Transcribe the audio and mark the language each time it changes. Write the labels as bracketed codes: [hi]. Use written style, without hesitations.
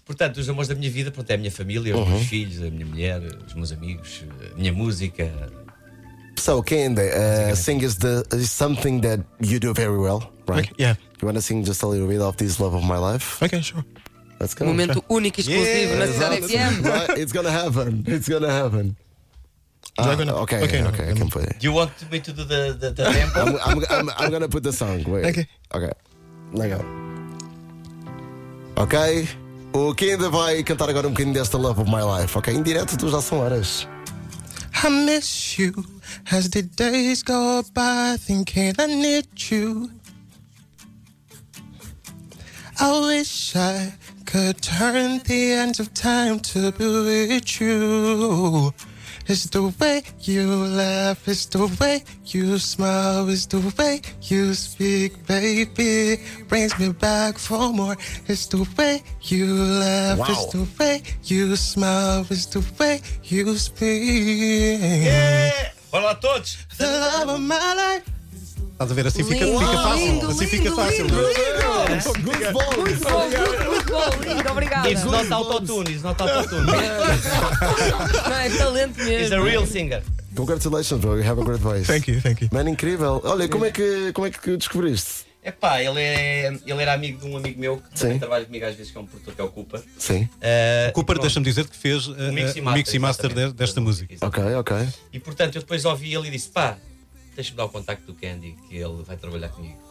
[pt] Portanto, os amores da minha vida, pronto, é a minha família, os meus filhos, a minha mulher, os meus amigos, a minha música. [en] So, Candy, sing is something that you do very well, right? Okay, yeah. You want to sing just a little bit of This Love of My Life? Okay, sure. That's good. [pt] Momento único e exclusivo na Cidade FM. [en] Right? It's gonna happen. Okay, I can play. Do you want me to do the tempo? I'm gonna put the song. Wait. Okay. Legal. Okay. [pt] O Kinda vai cantar agora um bocadinho desta Love of My Life. Okay, em direto tu já são horas. [en] I miss you as the days go by, thinking I need you. I wish I could turn the ends of time to be with you. It's the way you laugh, it's the way you smile, it's the way you speak, baby, brings me back for more. It's the way you laugh, wow. It's the way you smile, it's the way you speak. [pt] Yeah! Olá a todos! [en] The love of my life. [pt] Estás a ver? Assim fica, lindo, fica fácil. Lindo, assim fica lindo, fácil. Lindo, fácil. Lindo, [en] good ball. [pt] Muito bom, muito bom, muito bom, lindo. Obrigada. [en] It's not autotune, it's not autotune. [pt] É talento mesmo. [en] He's a real singer. Congratulations, bro. You have a great voice. Thank you, thank you. [pt] Man, incrível. Olha, como é que descobriste? É pá, ele era amigo de um amigo meu que também trabalha comigo às vezes, que é um produtor que é o Cooper. Sim. Cooper, deixa-me dizer que fez o mix e master desta música. Ok, ok. E portanto, eu depois ouvi ele e disse, pá, deixa-me dar o contacto do Candy, que ele vai trabalhar comigo.